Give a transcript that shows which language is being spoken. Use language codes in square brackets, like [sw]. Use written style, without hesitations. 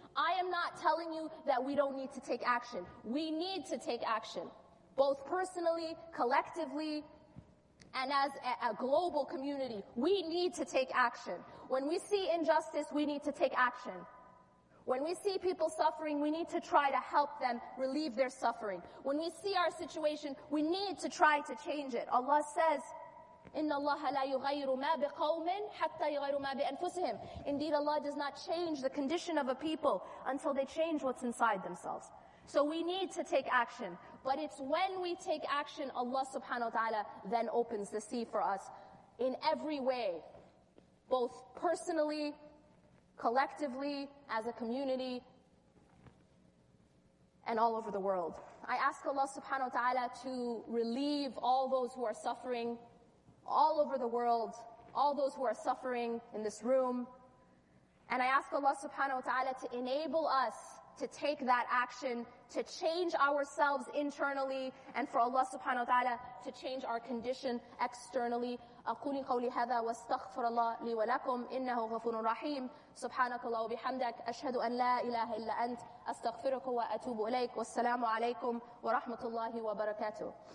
[en] I am not telling you that we don't need to take action. We need to take action, both personally, collectively, and as a global community. We need to take action. When we see injustice, we need to take action. When we see people suffering, we need to try to help them relieve their suffering. When we see our situation, we need to try to change it. Allah says, [ar] إِنَّ اللَّهَ لَا يُغَيْرُ مَا بِقَوْمٍ حَتَّى يُغَيْرُ مَا بِأَنفُسِهِمْ. [en] Indeed, Allah does not change the condition of a people until they change what's inside themselves. So we need to take action. But it's when we take action, Allah subhanahu wa ta'ala then opens the sea for us in every way, both personally, collectively, as a community, and all over the world. I ask Allah subhanahu wa ta'ala to relieve all those who are suffering all over the world, all those who are suffering in this room. And I ask Allah subhanahu wa ta'ala to enable us to take that action, to change ourselves internally, and for Allah subhanahu wa ta'ala to change our condition externally. [ar] أقول قولي هذا واستغفر الله لي ولكم إنه غفور رحيم سبحانك الله وبحمدك أشهد أن لا إله إلا أنت أستغفرك وأتوب إليك والسلام عليكم ورحمة الله وبركاته.